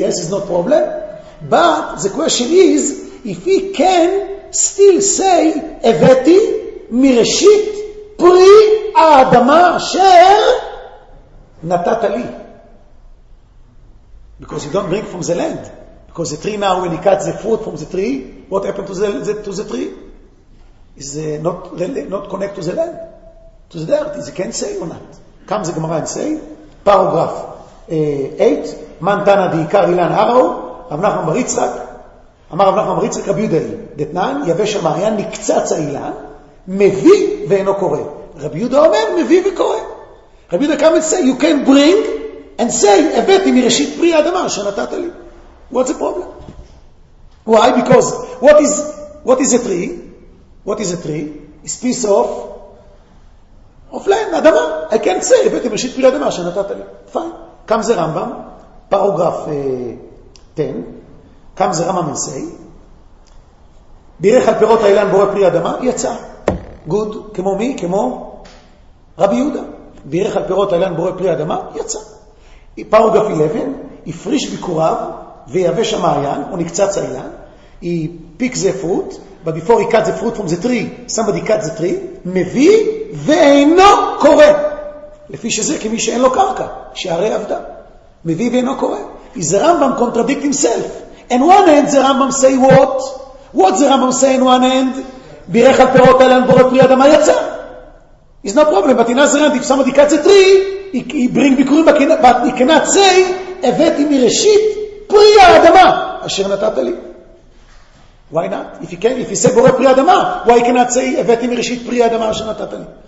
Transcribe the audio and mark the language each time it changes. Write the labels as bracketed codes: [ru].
[en] Yes, it's not a problem. But the question is, if he can still say, Eveti, [he] מראשית פרי האדמה אשר נתת לי. [en] Because you don't bring from the land. Because the tree now, when he cuts the fruit from the tree, what happened to the tree? Is not connected to the land? To the dirt? Is he can't say or not? Comes the Gemara and say, paragraph 8, [he] מנתנה דעיקר אילן הרו, רב נחמן בר יצחק, אמר רב נחמן בר יצחק, רבי יהודאי, דתנן, יבש המעיין, נקצץ האילן, מביא ואינו קורא. רבי יהודה אומר, מביא וקורא. [en] רבי יהודה come and say, you can bring and say, [he] הבאתי מראשית פרי האדמה שנתת לי. [en] What's the problem? Why? Because what is a tree? What is a tree? It's a piece of land, אדמה. I can't say, הבאתי מראשית פרי האדמה שנתת לי. Fine. Comes the Rambam, paragraph 10, comes the Rambam and say, [he] בירך על פירות האילן בורא פרי האדמה, יצא. גוד, כמו מי? כמו רבי יהודה. בירך על פירות האילן בורא פרי אדמה, יצא. [en] פרוגרף 11, [he] הפריש ביקוריו ויבש המעיין, הוא נקצץ האילן, [en] he pick the fruit, but before he cut the fruit from the tree, somebody cut the tree, [he] מביא ואינו קורא. לפי שזה כמי שאין לו קרקע, שערי עבדה. מביא ואינו קורא. [en] He's the Rambam contradict himself. And one hand, the Rambam say what? What the Rambam say in one hand? [he] בירך על פירות האלה בורא פרי אדמה יצא. [en] It's no problem, but in other hand, if somebody cuts a tree, he bring ביקורים, but he cannot say, [he] הבאתי מראשית פרי האדמה, אשר נתת לי. [en] Why not? If he can, if he said Bore Pri Adama, why cannot say [he] Hebeti Mereshit Pri Adama Shenatatan?